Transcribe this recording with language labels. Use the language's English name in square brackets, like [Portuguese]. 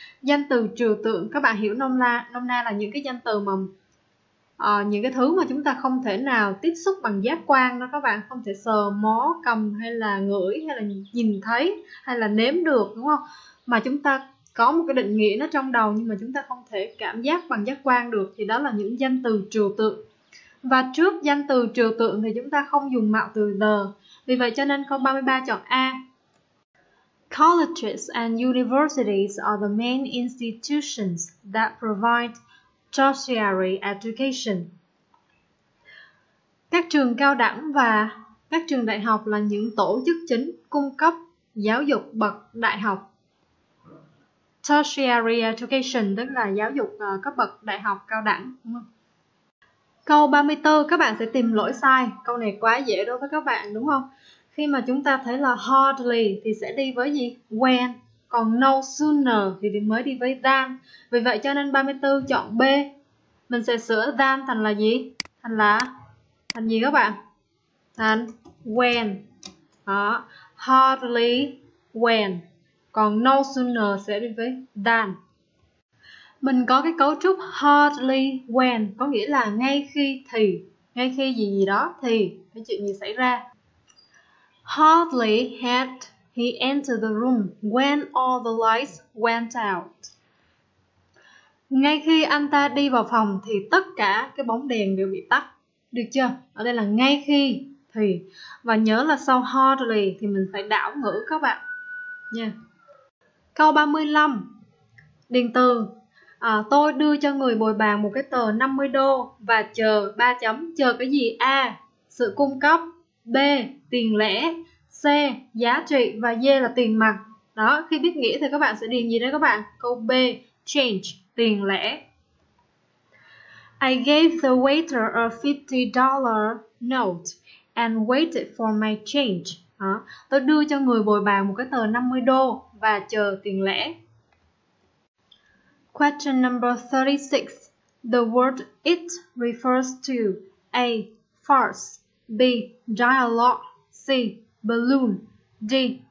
[Vietnamese] Danh từ trừu tượng các bạn hiểu nôm na là những cái danh từ mà những cái thứ mà chúng ta không thể nào tiếp xúc bằng giác quan đó các bạn, không thể sờ mó cầm hay là ngửi hay là nhìn thấy hay là nếm được, đúng không? Mà chúng ta có một cái định nghĩa nó trong đầu nhưng mà chúng ta không thể cảm giác bằng giác quan được, thì đó là những danh từ trừu tượng. Và trước danh từ trừu tượng thì chúng ta không dùng mạo từ the. Vì vậy cho nên câu 33 chọn A. [English] Colleges and universities are the main institutions that provide tertiary education. [Vietnamese] Các trường cao đẳng và các trường đại học là những tổ chức chính cung cấp giáo dục bậc đại học. Tertiary education tức là giáo dục cấp bậc đại học cao đẳng, đúng không? Câu 34 các bạn sẽ tìm lỗi sai. Câu này quá dễ đối với các bạn, đúng không? Khi mà chúng ta thấy là hardly thì sẽ đi với gì? When. Còn no sooner thì mới đi với than. Vì vậy cho nên 34 chọn B. Mình sẽ sửa than thành là gì? Thành gì các bạn? Thành when. Đó. [English] Hardly when. [Vietnamese] Còn no sooner sẽ đi với than. Mình có cái cấu trúc hardly when, có nghĩa là ngay khi thì, ngay khi gì gì đó thì, cái chuyện gì xảy ra. [English] Hardly had he entered the room when all the lights went out. [Vietnamese] Ngay khi anh ta đi vào phòng thì tất cả cái bóng đèn đều bị tắt. Được chưa? Ở đây là ngay khi thì. Và nhớ là sau hardly thì mình phải đảo ngữ các bạn. Nha. Câu 35. Điền từ. Tôi đưa cho người bồi bàn một cái tờ 50 đô và chờ 3 chấm. Chờ cái gì? A. Sự cung cấp. B. Tiền lẻ. C. Giá trị. Và D là tiền mặt. Đó, khi biết nghĩa thì các bạn sẽ điền gì đấy các bạn? Câu B. Change. Tiền lẻ. [English] I gave the waiter a $50 note and waited for my change. [Vietnamese] Đó. Tôi đưa cho người bồi bàn một cái tờ 50 đô và chờ tiền lẻ. [English] Question number 36. The word it refers to A. Farce. B. Dialogue. C. Balloon. D.